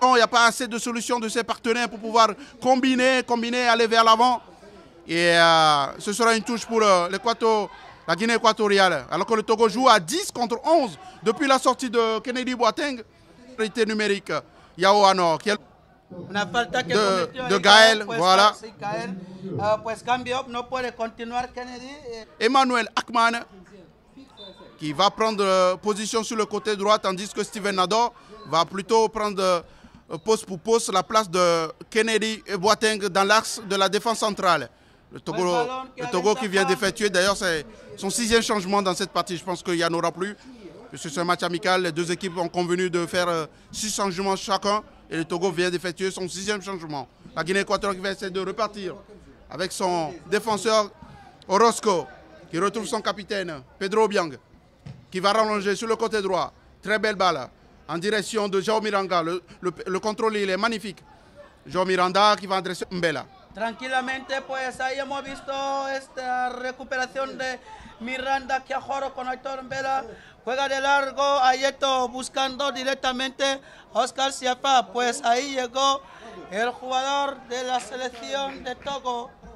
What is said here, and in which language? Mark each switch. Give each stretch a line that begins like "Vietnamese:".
French: Il n'y a pas assez de solutions de ses partenaires pour pouvoir combiner, aller vers l'avant. Et ce sera une touche pour la Guinée équatoriale. Alors que le Togo joue à 10 contre 11 depuis la sortie de Kennedy Boateng. Priorité numérique, Yao Anor qui est...
Spanish: Una falta que de Gaël, pues, voilà. Si Gaël, pues cambio, no puede continuar Kennedy.
French: Emmanuel Ackman qui va prendre position sur le côté droit tandis que Steven Nador va plutôt prendre poste pour poste la place de Kennedy et Boateng dans l'axe de la défense centrale. Le Togo qui vient d'effectuer d'ailleurs son sixième changement dans cette partie. Je pense qu'il n'y en aura plus. Puisque c'est un match amical, les deux équipes ont convenu de faire 6 changements chacun. Et le Togo vient d'effectuer son sixième changement. La Guinée équatoriale qui va essayer de repartir avec son défenseur Orozco, qui retrouve son capitaine Pedro Obiang, qui va rallonger sur le côté droit. Très belle balle en direction de João Miranda. Le contrôle, il est magnifique. João Miranda qui va adresser Mbella.
Spanish: Tranquillamente, pues, ahí hemos visto esta recuperación de Miranda que ajoro con Aitor Mbella. Juega de largo Ayeto buscando directamente Oscar Siafa. Pues ahí llegó el jugador de la selección de Togo.